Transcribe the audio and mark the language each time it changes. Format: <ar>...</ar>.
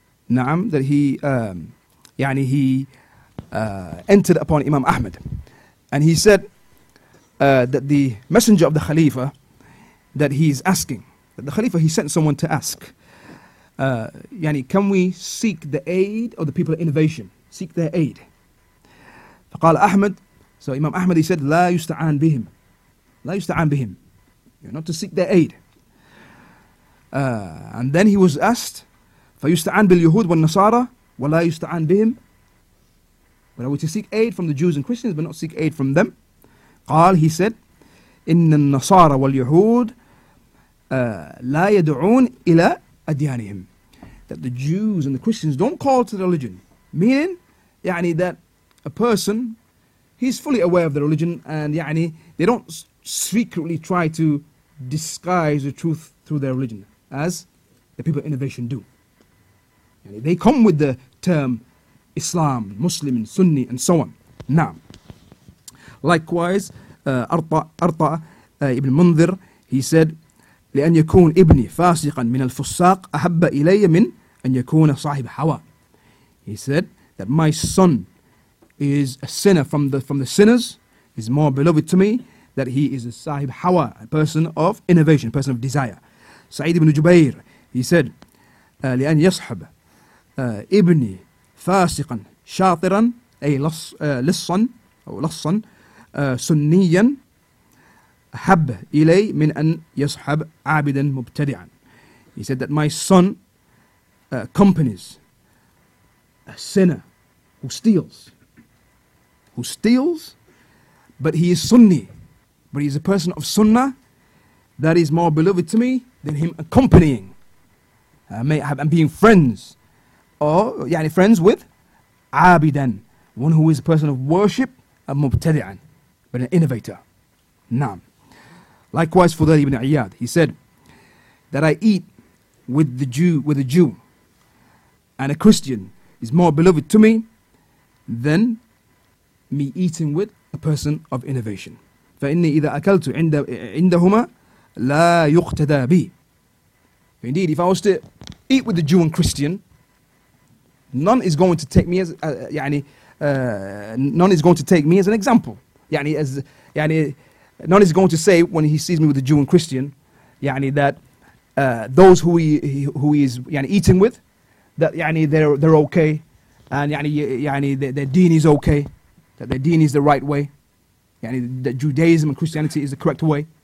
<en>Naam, that he entered upon Imam Ahmad. And he said that the messenger of the Khalifa, that he is asking, that the Khalifa, he sent someone to ask, يعني, can we seek the aid of the people of innovation? Seek their aid.</en> <ar>فقال أحمد,</ar> <en>so Imam Ahmad, he said,</en> <ar>لا يستعان بهم. لا يستعان بهم.</ar> <en>You're not to seek their aid.</en> <ar>And then he was asked, فيستعان باليهود والنصارى ولا يستعان بهم.</ar> <en>But are we to seek aid from the Jews and Christians, but not seek aid from them?</en> <ar>قال,</ar> <en>he said,</en> <ar>إن النصارى واليهود لا يدعون إلى أديانهم.</ar> <en>That the Jews and the Christians don't call to the religion. Meaning, يعني, that a person, he's fully aware of the religion, and يعني, they don't secretly try to disguise the truth through their religion, as the people of innovation do. يعني, they come with the term Islam, Muslim, and Sunni, and so on. Now, likewise, Arta ibn Mundhir, he said,</en> <ar>لأن يكون ابني فاسقا من الفساق أحب إلي من أن يكون صاحب حواء.</ar> <en>He said that my son is a sinner from the sinners, is more beloved to me, that he is a sahib hawa, a person of innovation, a person of desire. Sa'id ibn Jubayr, he said,</en> <ar>لأن يصحب ابني فاسقا شاطرا أي لصا أو لصا سنيا أحب إلي من أن يصحب عابدا مبتدعا.</ar> <en>He said that my son accompanies a sinner who steals, but he is Sunni, but he is a person of Sunnah, that is more beloved to me than him accompanying and being friends, or يعني, friends with عابدًا, one who is a person of worship, a مبتدعًا, but an innovator. Naam. Likewise, Fudayl ibn Iyad, he said that I eat with a Jew, and a Christian is more beloved to me than me eating with a person of innovation.</en> <ar>فإني إذا أكلت عندهما لا يقتدى بي.</ar> <en>Indeed, if I was to eat with a Jew and Christian, none is going to take me as an example. None is going to say when he sees me with a Jew and Christian, يعني, that those who he is eating with, that يعني, they're okay, and يعني their deen is okay, that their deen is the right way, يعني, that Judaism and Christianity is the correct way.</en>